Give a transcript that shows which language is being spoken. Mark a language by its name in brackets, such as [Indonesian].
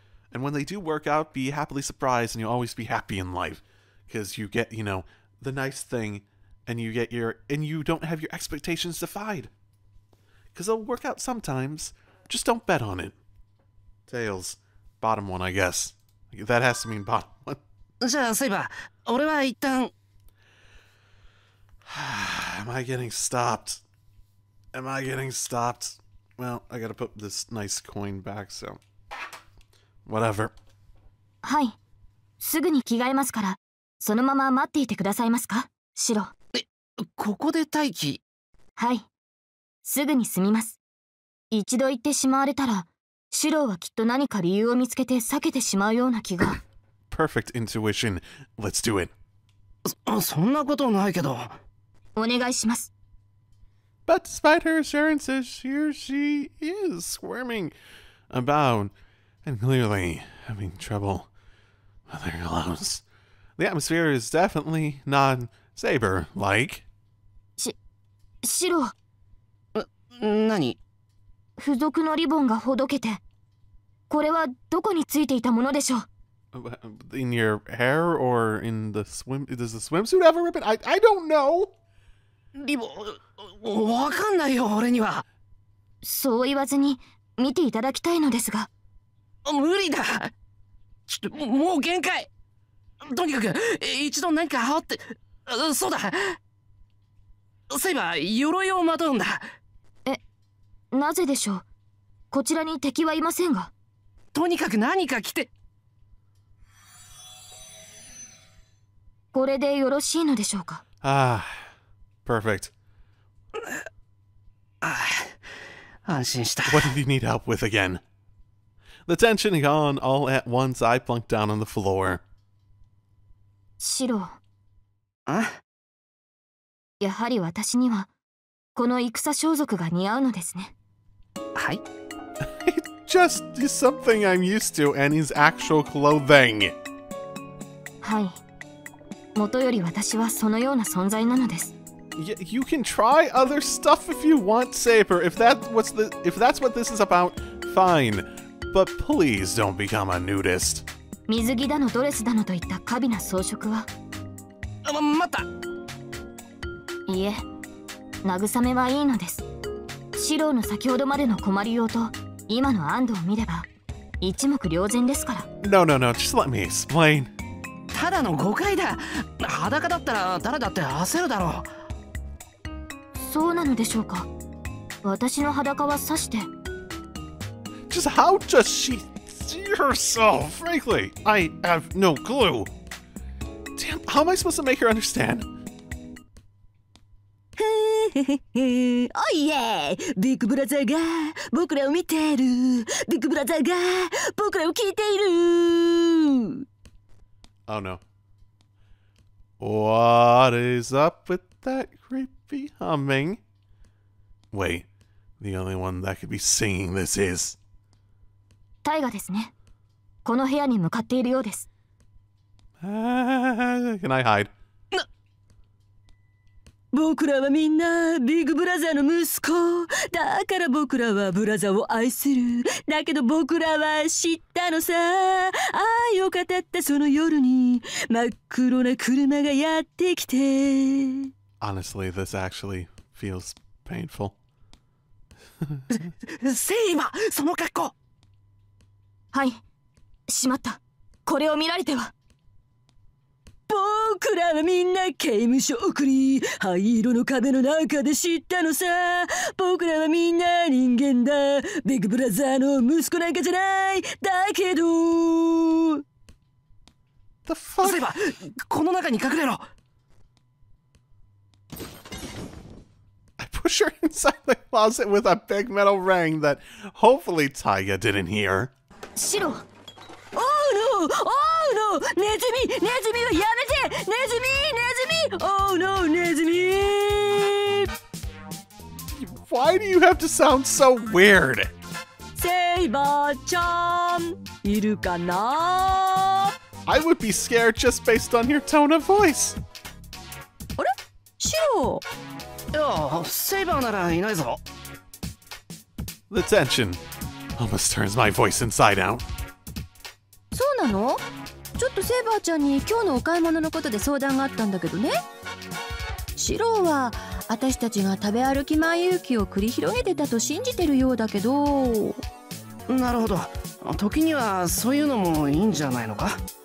[English] And when they do work out, be happily surprised and you'll always be happy in life. Because you get, you know, the nice thing, and you get your, and you don't have your expectations defied. Because it'll work out sometimes, just don't bet on it. Tails, bottom one, I guess. That has to mean bottom one. [Japanese] じゃあ、セイバー、俺は一旦… [English] Am I getting stopped? Well, I gotta put this nice coin back, so… Whatever. [Japanese] はい。すぐに着替えますから、そのまま待っていてくださいますか、シロ。え、ここで待機？はい。すぐに済みます。一度行ってしまわれたら、シロはきっと何か理由を見つけて避けてしまうような気が。 [English] Perfect intuition. Let's do it. [Japanese] そんなことないけど。お願いします。 [English] But despite her assurances, here she is squirming about and clearly having trouble with her clothes. The atmosphere is definitely non-saber-like. [Japanese] シロ。何？付属のリボンがほどけて。これはどこについていたものでしょう？ [English] In your hair or in the swimsuit have a ribbon? I don't know. [Japanese] リボ、わかんないよ俺には。そう言わずに見ていただきたいのですが。無理だ、ちょっともう限界。とにかく一度何か羽織って、そうだ、そういえば鎧をまとうんだ。え、なぜでしょう、こちらに敵はいませんが。とにかく何か着て。これでよろしいのでしょうか。ああ、 [English] perfect。 [Japanese] 安心した。 [English] What did you need help with again? The tension gone all at once, I plunked down on the floor. [Japanese] シロ。あ？やはり私にはこの戦装束が似合うのですね。はい。 [English] Just something I'm used to, and his actual clothing. [Japanese] はい。元より私はそのような存在なのです。 [English] You can try other stuff if you want, Saber. If that's what this is about, fine. But please don't become a nudist. [Japanese] 水着だのドレスだのといった華美な装飾は。また。いえ、慰めはいいのです。シローの先ほどまでの困りようと。今の安藤を見れば一目瞭然ですから。 [English] No, no, no, just let me explain. [Japanese] ただの誤解だ。裸だったら誰だって焦るだろう。そうなのでしょうか。私の裸はさして。 [English] Just how does she see herself? Frankly, I have no clue. Damn, how am I supposed to make her understand? [Japanese] おいえ、ビッグブラザーが僕らを見ている。ビッグブラザーが僕らを聞いている。 [English] Oh no. What is up with that creepy humming? Wait, the only one that could be singing this is... [Japanese] タイガですね。この部屋に向かっているようです。 [English] Can I hide? [Japanese] 僕らはみんなビッグブラザーの息子だから。僕らはブラザーを愛する。だけど僕らは知ったのさ、愛を語ったその夜に真っ黒な車がやってきて。 [English] Honestly, this actually feels painful. [Japanese] セイバー、その格好。はい、しまった、これを見られては。僕らはみんな刑務所送り、灰色の壁の中で知ったのさ。僕らはみんな人間だ、ビッグブラザーの息子なんかじゃない。だけど [English] The fuck? [Japanese] セイバー、この中に隠れろ。 [English] I push her inside the closet with a big metal ring that hopefully Taiga didn't hear. [Japanese] シロ、オーノー、オーノー、ネズミ、ネズミはやめて、ネズミ、ネズミ、オーノー、ネズミ。 [English] Why do you have to sound so weird? [Japanese] セイバーちゃん、いるかな。 [English] I would be scared just based on your tone of voice. [Japanese] あれ、シロ。いや、セイバーならいないぞ。 [English] The tension almost turns my voice inside out. [Japanese] そうなの？ちょっとセイバーちゃんに今日のお買い物のことで相談があったんだけどね。シローは私たちが食べ歩き前勇気を繰り広げてたと信じてるようだけど。なるほど、時にはそういうのもいいんじゃないのか。